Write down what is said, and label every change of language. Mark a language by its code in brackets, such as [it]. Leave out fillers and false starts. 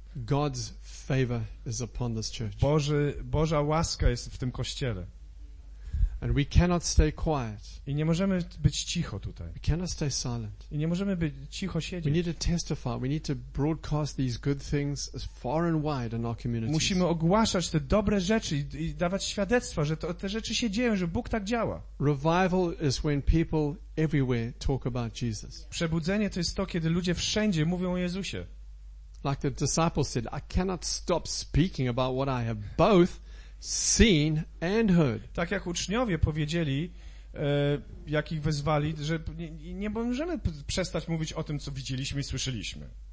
[en] God's favor is upon this church. [pl] Boża łaska jest w tym kościele. [en] And we cannot stay quiet. [pl] I nie możemy być cicho tutaj. [en] We cannot stay silent. [pl] I nie możemy być cicho siedzieć. [en] We need to testify. We need to broadcast these good things as far and wide in our communities. [pl] Musimy ogłaszać te dobre rzeczy i dawać świadectwa, że te rzeczy się dzieją, że Bóg tak działa. [en] Revival is when people everywhere talk about Jesus. [pl] Przebudzenie to jest to, kiedy ludzie wszędzie mówią o Jezusie. [en] Like the disciples said, I cannot stop speaking about what I have both seen and heard. [pl] Tak jak uczniowie powiedzieli, jak ich wezwali, że nie możemy przestać mówić o tym, co widzieliśmy i słyszeliśmy.